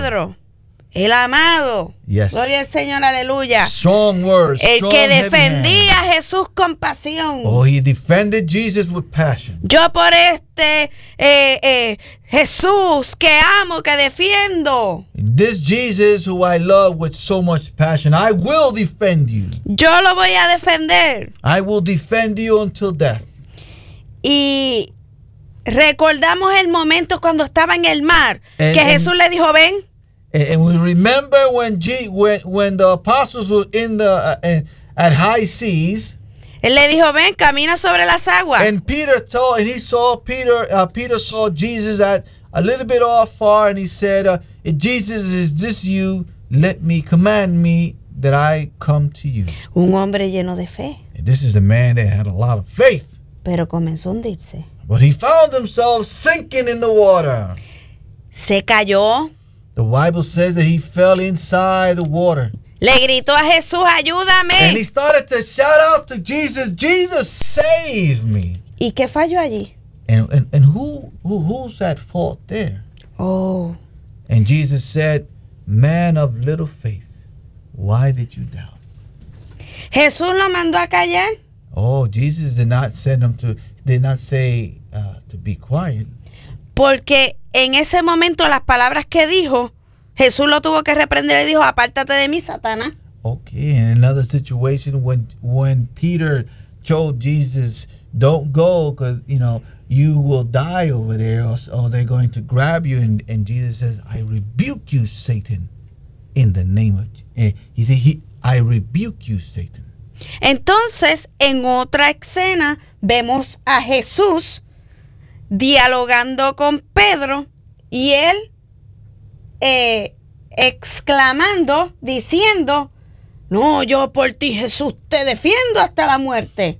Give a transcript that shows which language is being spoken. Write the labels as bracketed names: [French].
[Spanish] Pedro, el amado. [English] Yes. [Spanish] Gloria al Señor, aleluya. [English] Strong words. [Spanish] El que defendía a Jesús con pasión. [English] Oh, he defended Jesus with passion. [Spanish] Yo por este Jesús que amo, que defiendo. [English] This Jesus who I love with so much passion, I will defend you. [Spanish] Yo lo voy a defender. [English] I will defend you until death. [Spanish] Y recordamos el momento cuando estaba en el mar, que Jesús le dijo, ven. [English] And we remember when the apostles were in the at high seas. [Spanish] Él le dijo, ven, camina sobre las aguas. [English] And Peter told, and he saw Peter. Peter saw Jesus at a little bit off far, and he said, if Jesus, is this you? Let me command me that I come to you. [Spanish] Un hombre lleno de fe. [English] And this is the man that had a lot of faith. [Spanish] Pero comenzó a hundirse. [English] But he found himself sinking in the water. [Spanish] Se cayó. [English] The Bible says that he fell inside the water. [Spanish] Le gritó a Jesús, ayúdame. [English] And he started to shout out to Jesus, Jesus, save me. [Spanish] ¿Y qué falló allí? [English] And who's at fault there? Oh. And Jesus said, man of little faith, why did you doubt? [Spanish] Jesús lo mandó a callar. [English] Oh, Jesus did not send him to, did not say to be quiet. [Spanish] Porque en ese momento las palabras que dijo, Jesús lo tuvo que reprender y dijo, apártate de mí, Satanás. [English] Okay, in another situation when Peter told Jesus, don't go because, you know, you will die over there, or they're going to grab you. And Jesus says, I rebuke you, Satan, in the name of Jesus. I rebuke you, Satan. [Spanish] Entonces, en otra escena, vemos a Jesús dialogando con Pedro y él exclamando, diciendo, no, yo por ti, Jesús, te defiendo hasta la muerte.